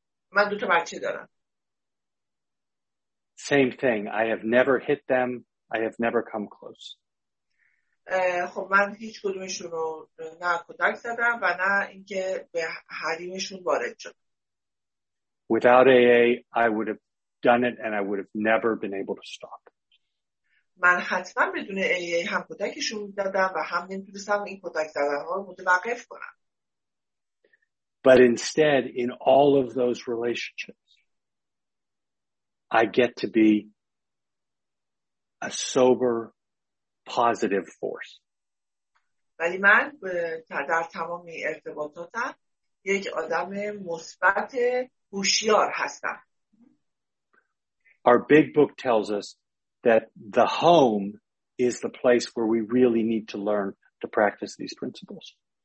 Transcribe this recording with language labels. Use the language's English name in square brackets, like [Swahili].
[Persian] من دوتا بچه دارم. [English] Same thing. I have never hit them. I have never come close. [Persian] خب من هیچ کدومشون رو نه کتک زدم و نه اینکه به حریمشون وارد شدم. [English] Without AA, I would have done it and I would have never been able to stop. [Persian] من حتما بدون AA هم کتکشون زدم و هم نمیتونستم این کتک زدنها رو متوقف کنم. [English] But instead, in all of those relationships, I get to be a sober, positive force. [Persian] ولی من در تمام ارتباطاتم یک آدم مثبت هوشیار هستم. [English] Our big book tells us that the home is the place where we really need to learn to practice these principles.